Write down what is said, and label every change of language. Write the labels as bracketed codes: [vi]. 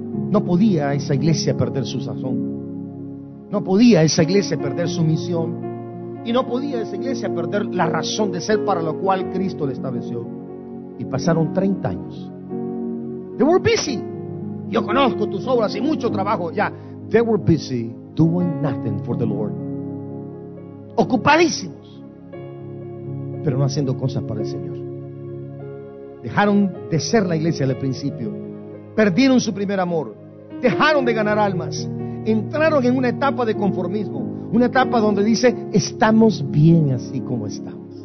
[es] No podía esa iglesia perder su sazón. No podía esa iglesia perder su misión. Y no podía esa iglesia perder la razón de ser para lo cual Cristo le estableció. Y pasaron 30 años. [en] They were busy. [es] Yo conozco tus obras y mucho trabajo. Ya. [en] They were busy doing nothing for the Lord. [es] Ocupadísimos. Pero no haciendo cosas para el Señor. Dejaron de ser la iglesia del principio. Perdieron su primer amor. Dejaron de ganar almas. Entraron en una etapa de conformismo. Una etapa donde dice, estamos bien así como estamos.